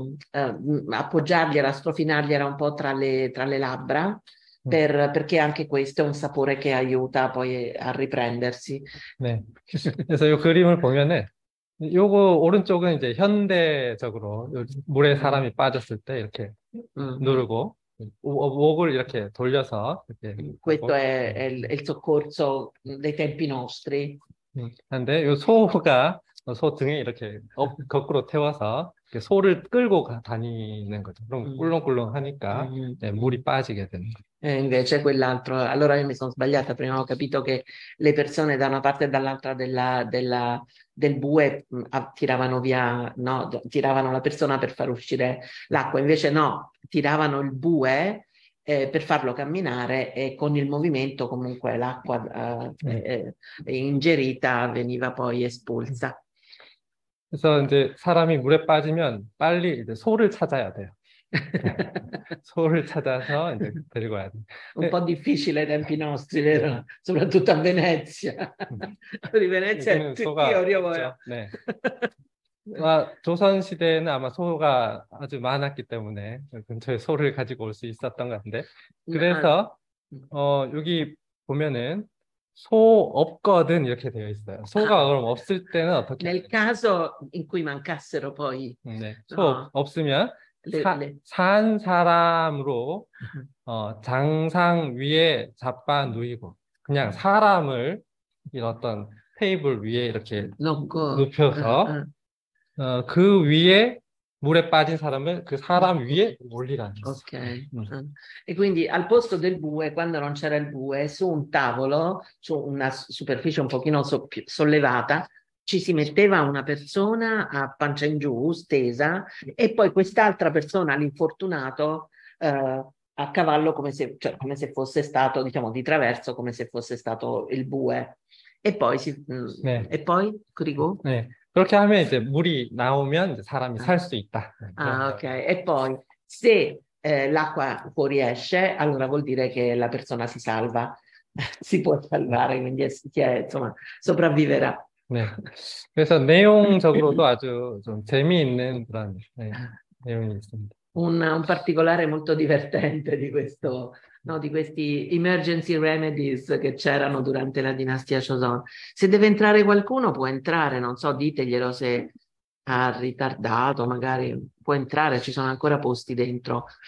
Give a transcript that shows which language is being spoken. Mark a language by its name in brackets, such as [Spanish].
[Italian] Per appoggiargliela, strofinargliela un po' tra le labbra, perché anche questo è un sapore che aiuta poi a riprendersi. [Korean] 네. 그래서 이 그림을 보면은 요거 오른쪽은 이제 현대적으로 물에 사람이 빠졌을 때 이렇게 누르고 목을 이렇게 돌려서 이렇게 [Italian] questo [Korean] 하고. [Italian] È il soccorso dei tempi nostri. [Korean] 근데 요 소가 소 등에 이렇게 거꾸로 태워서 이렇게 소를 끌고 다니는 거죠. 그럼 꿀렁꿀렁 하니까 네, 물이 빠지게 되는 거예요. [Italian] E invece quell'altro, allora io mi sono sbagliata, prima ho capito che le persone da una parte e dall'altra del bue tiravano via, no, tiravano la persona per far uscire l'acqua, invece no, tiravano il bue per farlo camminare e con il movimento comunque l'acqua ingerita veniva poi espulsa. [Korean] 그래서 이제 사람이 물에 빠지면 빨리 이제 소를 찾아야 돼요. 소를 찾아서 이제 데리고 와야 돼. [Italian] Un po' difficile ai tempi nostri, vero? Soprattutto a Venezia. Di Venezia tutti oriovoi. [Korean] 네. 아, 조선 시대에는 아마 소가 아주 많았기 때문에 근처에 소를 가지고 올 수 있었던 것 같은데 그래서 여기 보면은 소 없거든 이렇게 되어 있어요. 소가 그럼 없을 때는 어떻게? [Italian] Nel caso in cui mancassero poi. [Korean] 네. 소 없으면 산 사람으로 장상 위에 잡아 누이고 그냥 사람을 어떤 테이블 위에 이렇게 놓고 눕혀서 그 위에 물에 빠진 사람을 그 사람 위에 올리라는 거죠. [English] Okay. [Italian] E quindi al posto del bue, quando non c'era il bue, su un tavolo, su una superficie un pochino sollevata, ci si metteva una persona a pancia in giù, stesa, e poi quest'altra persona, l'infortunato, a cavallo come se fosse stato, diciamo, di traverso, come se fosse stato il bue. E poi si... [Korean] 네. [Italian] E poi, Corrigo? [Korean] 네. 그렇게 하면 이제 물이 나오면 이제 사람이 살 수 있다. 아, 오케이. Okay. [Italian] E poi se l'acqua fuoriesce, allora vuol dire che la persona si salva, si può salvare, quindi insomma sopravviverà. [Korean] 네. 그래서 내용적으로도 아주 좀 재미있는 그런 내용이 있습니다. [Italian] Un particolare molto divertente di questo, no, di questi emergency remedies che c'erano durante la dinastia Joseon. Se deve entrare qualcuno, può entrare, non so, diteglielo se ha ritardato, magari può entrare, ci sono ancora posti dentro.